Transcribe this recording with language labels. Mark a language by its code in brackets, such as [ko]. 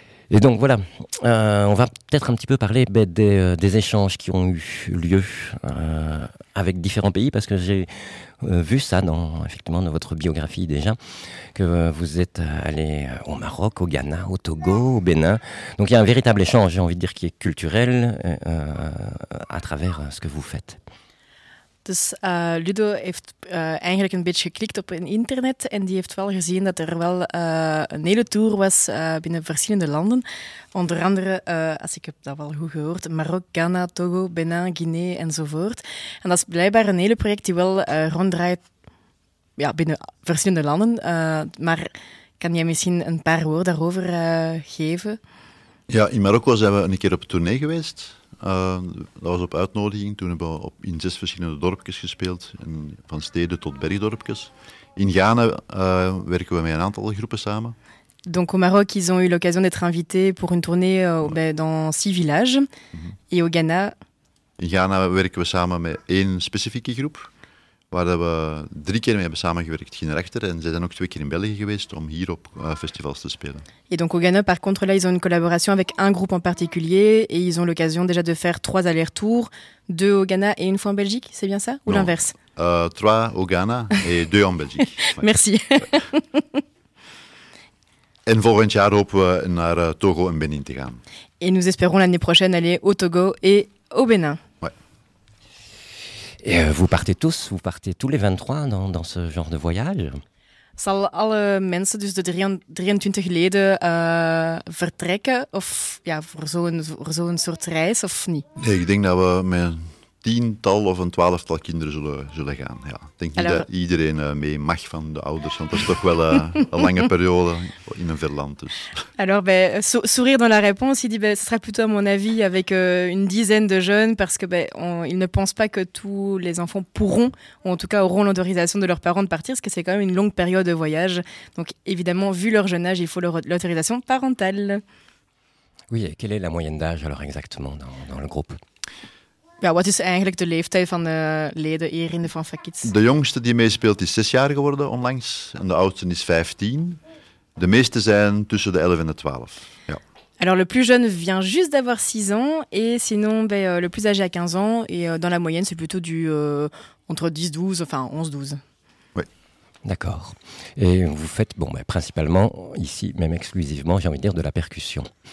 [fr] Et donc voilà, on va peut-être un petit peu parler des échanges qui ont eu lieu avec différents pays, parce que j'ai vu ça effectivement dans votre biographie déjà, que vous êtes allé au Maroc, au Ghana, au Togo, au Bénin. Donc il y a un véritable échange, j'ai envie de dire, qui est culturel à travers ce que vous faites. [nl] Dus Ludo heeft eigenlijk een beetje geklikt op een internet en die heeft wel gezien dat er wel een hele tour was binnen verschillende landen. Onder andere, als ik heb dat wel goed gehoord, Marokko, Ghana, Togo, Benin, Guinea enzovoort. En dat is blijkbaar een hele project die wel ronddraait binnen verschillende landen. Maar kan jij misschien een paar woorden daarover geven? Ja, in Marokko zijn we een keer op tournee geweest. Dat was op uitnodiging. Toen hebben we in 6 verschillende dorpjes gespeeld, van steden tot bergdorpjes. In Ghana werken we met een aantal groepen samen. [fr] Donc au Maroc, ils ont eu l'occasion d'être invités pour une tournée dans 6 villages. Mm-hmm. Et au Ghana? [nl] In Ghana werken we samen met 1 specifieke groep, waar we 3 keer mee hebben samengewerkt, ging erachter. En ze zijn ook 2 keer in België geweest om hier op festivals te spelen. [fr] Et donc au Ghana, par contre, là, ils ont une collaboration avec un groupe en particulier et ils ont l'occasion déjà de faire 3 allers-retours, 2 au Ghana et une fois en Belgique, c'est bien ça? Ou non. L'inverse? 3 au Ghana et 2 en Belgique. Merci. [nl] En volgend jaar hopen we naar Togo en Benin te gaan. [fr] Et nous espérons l'année prochaine aller au Togo et au Bénin. Et vous partez tous les 23 dans ce genre de voyage? [nl] Zal alle mensen, dus de 23 leden, vertrekken of, voor zo'n soort reis of niet? Nee, ik denk dat we met een 10-tal of een 12-tal kinderen zullen gaan. Ja. Ik denk niet dat iedereen mee mag van de ouders, want dat is toch wel een lange periode in een ver land. Dus. [fr] Alors, sourire dans la réponse, il dit que ce sera plutôt à mon avis avec une dizaine de jeunes, parce qu'ils ne pensent pas que tous les enfants pourront, ou en tout cas auront l'autorisation de leurs parents de partir, parce que c'est quand même une longue période de voyage. Donc évidemment, vu leur jeune âge, il faut l'autorisation parentale. Oui, et quelle est la moyenne d'âge alors exactement dans le groupe? [nl] Ja, wat is eigenlijk de leeftijd van de leden hier in de Fanfare Kids? De jongste die meespeelt is 6 jaar geworden onlangs en de oudste is 15. De meeste zijn tussen de 11 en de 12. Ja. [fr] Alors le plus jeune vient juste d'avoir 6 ans et sinon le plus âgé a 15 ans et dans la moyenne c'est plutôt du entre 10-12, enfin 11-12. Oui. D'accord. Et vous faites principalement ici, même exclusivement, j'ai envie de dire, de la percussion.